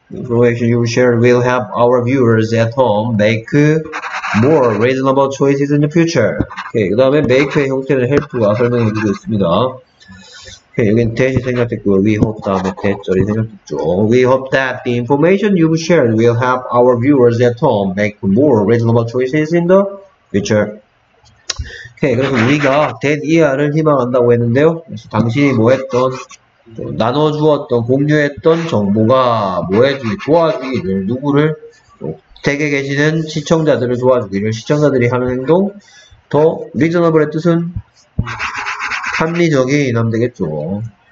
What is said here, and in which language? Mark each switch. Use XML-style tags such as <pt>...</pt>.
<en>The information you've shared will help our viewers at home make more reasonable choices in the future.</en> <ko>오케이, 그 다음에 make의 형태는 help가 설명해주고 있습니다. 오케이, 여긴 대시 생략됐고요.</ko> <en>We hope</en> <ko>다음에 대절이 생략됐죠.</ko> <en>We hope that the information you've shared will help our viewers at home make more reasonable choices in the future.</en> <ko>오케이, 그래서 우리가 that 이하를 희망한다고 했는데요. 그래서 당신이 뭐 했던, 나눠주었던, 공유했던 정보가 뭐 해주기, 도와주기를, 누구를, 댁에 계시는 시청자들을 도와주기를, 시청자들이 하는 행동, 더 리저너블의 뜻은 합리적인 하면 되겠죠.</ko>